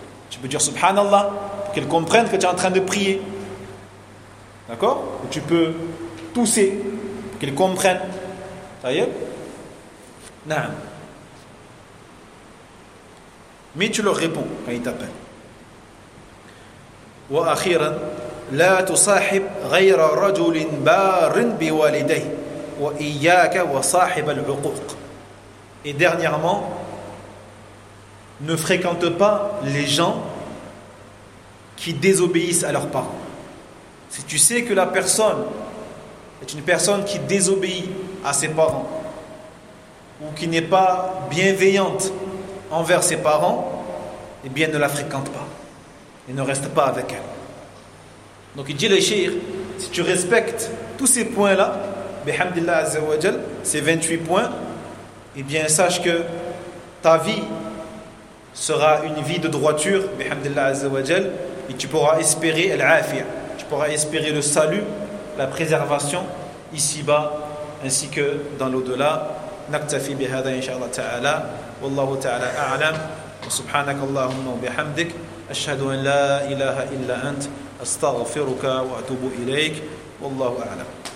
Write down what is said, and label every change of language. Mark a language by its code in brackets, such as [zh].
[fr] Tu peux dire Subhanallah pour qu'elle comprenne que tu es en train de prier. D'accord? Ou tu peux tousser pour qu'elle comprenne. Voyez? Naam. Mais tu leur réponds quand ils t'appellent. [ar] وأخيرا لا تصاحب غير رجل بار بوالديه وإياك وصاحب العقوق. [fr] Et dernièrement, ne fréquente pas les gens qui désobéissent à leurs parents. Si tu sais que la personne est une personne qui désobéit à ses parents ou qui n'est pas bienveillante envers ses parents, eh bien ne la fréquente pas et ne reste pas avec elle. Donc il dit le shir, si tu respectes tous ces points là [ar] bihamdillah azza wa jal, [fr] ces 28 points, eh bien sache que ta vie sera une vie de droiture [ar] bihamdillah azza wa jal, [fr] et tu pourras espérer al-afiyah, tu pourras espérer le salut, la préservation ici-bas ainsi que dans l'au-delà. [ar] Naktafi bihada inshallah ta'ala. والله تعالى أعلم. وسبحانك اللهم وبحمدك أشهد أن لا إله إلا أنت أستغفرك وأتوب إليك والله أعلم.